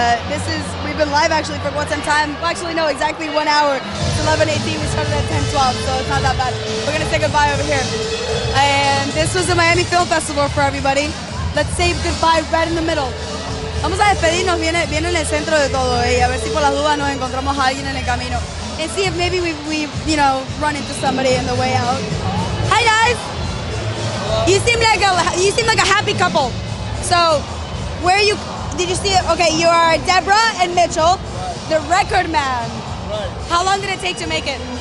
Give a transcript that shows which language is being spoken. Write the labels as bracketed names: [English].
[English] We've been live actually for quite some time. Well, actually, no, exactly 1 hour. It's 11:18. We started at 10:12, so it's not that bad. We're gonna say goodbye over here. And this was the Miami Film Festival for everybody. Let's say goodbye right in the middle. [Spanish] Vamos a despedirnos, viene en el centro de todo, y a ver si por las dudas nos encontramos a alguien en el camino. [English] And see if maybe we've, you know, run into somebody on the way out. Hi, guys! Hello. You seem like a happy couple. So, where are you? Did you see it? Okay, you are Deborah and Mitchell, right. The record man. Right. How long did it take to make it?